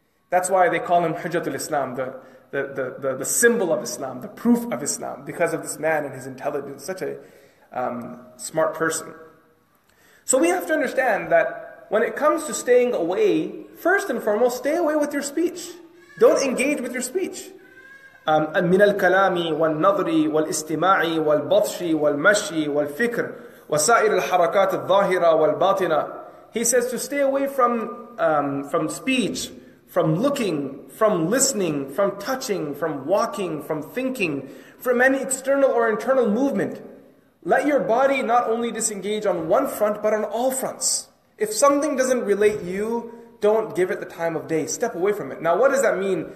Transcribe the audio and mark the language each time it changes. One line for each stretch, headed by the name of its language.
English: That's why they call him Hujjatul Islam, the symbol of Islam, the proof of Islam, because of this man and his intelligence, such a smart person. So we have to understand that when it comes to staying away, first and foremost, stay away with your speech. Don't engage with your speech.
Arabic: من الكلام والنظر والاستماع والبطش والمشي والفكر وسائر الحركات الظاهرة والباطنة.
English: He says to stay away from speech, from looking, from listening, from touching, from walking, from thinking, from any external or internal movement. Let your body not only disengage on one front, but on all fronts. If something doesn't relate you, don't give it the time of day. Step away from it. Now, what does that mean?